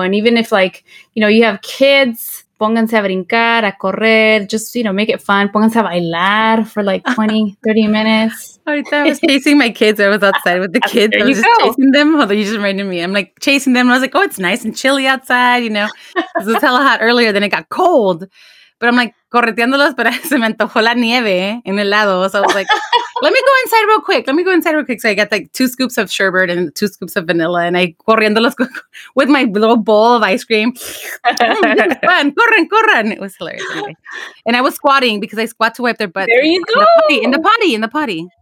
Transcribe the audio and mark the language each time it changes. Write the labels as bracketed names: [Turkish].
[English] And even if, like, you know, you have kids, [Spanish] pónganse a brincar, a correr, [English] just, you know, make it fun. [Spanish] Pónganse a bailar [English] for like 20, 30 minutes. Ahorita I was chasing my kids. I was outside with the kids. There I was you just go. Chasing them. Although you just reminded me, I'm like chasing them. I was like, oh, it's nice and chilly outside, you know, it was hella hot earlier. Then it got cold, but I'm like [Spanish] correteándolos, pero se me antojó la nieve en el lado. [English] So I was like, Let me go inside real quick. So I got like 2 scoops of sherbet and 2 scoops of vanilla, and I corriéndolos with my little bowl of ice cream. Fun. [Spanish] Corran, corran. [English] It was hilarious. Anyway. And I was squatting because I squat to wipe their butts. There you go. In the potty.